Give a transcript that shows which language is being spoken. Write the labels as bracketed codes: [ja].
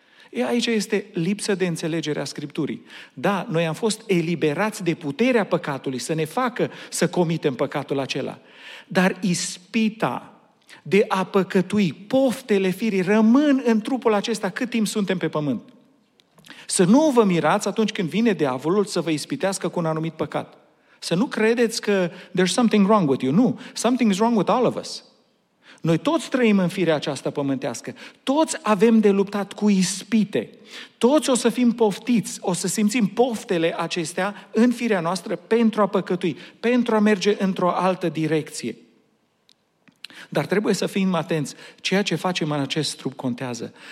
[ro] E, aici este lipsă de înțelegere a Scripturii. Da, noi am fost eliberați de puterea păcatului să ne facă să comitem păcatul acela. Dar ispita de a păcătui, poftele firii, rămân în trupul acesta cât timp suntem pe pământ. Să nu vă mirați atunci când vine diavolul să vă ispitească cu un anumit păcat. Să nu credeți că [en] there's something wrong with you. Nu, something's wrong with all of us. [ro] Noi toți trăim în firea aceasta pământească. Toți avem de luptat cu ispite. Toți o să fim poftiți, o să simțim poftele acestea în firea noastră pentru a păcătui, pentru a merge într-o altă direcție. Dar trebuie să fim atenți, ceea ce facem în acest trup contează.